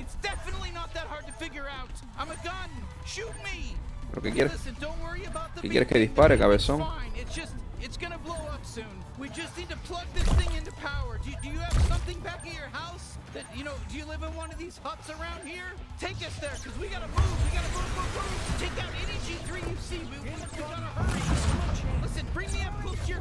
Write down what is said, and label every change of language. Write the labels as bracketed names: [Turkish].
[English] It's definitely not that hard to figure out. I'm a gun. Shoot me. [Spanish] ¿Pero qué quieres? ¿Qué quieres que dispare, cabezón? [English] It's gonna blow up soon. We just need to plug this thing into power. Do you have something back at your house? That, you know, do you live in one of these huts around here? Take us there, because we gotta move. We gotta move, move, move. Take out any G3 you see. We gotta hurry. Listen, bring me up close to your...